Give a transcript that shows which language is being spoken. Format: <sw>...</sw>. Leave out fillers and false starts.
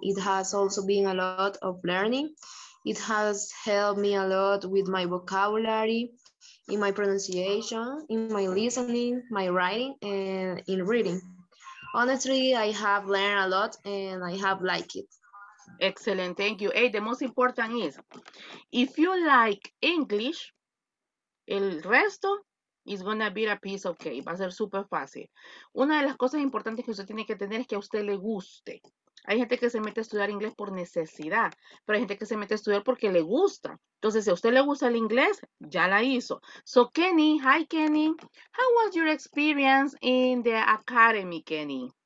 <en>It has also been a lot of learning. It has helped me a lot with my vocabulary, in my pronunciation, in my listening, my writing, and in reading. Honestly, I have learned a lot and I have liked it. Excellent, thank you. Hey, the most important is, if you like English,</en> <es>el resto,</es> <en>it's gonna be a piece of cake.</en> <es>Va a ser súper fácil. Una de las cosas importantes que usted tiene que tener es que a usted le guste. Hay gente que se mete a estudiar inglés por necesidad, pero hay gente que se mete a estudiar porque le gusta. Entonces, si a usted le gusta el inglés, ya la hizo.</es> <en>So, Kenny, hi, Kenny. How was your experience in the academy, Kenny?</en>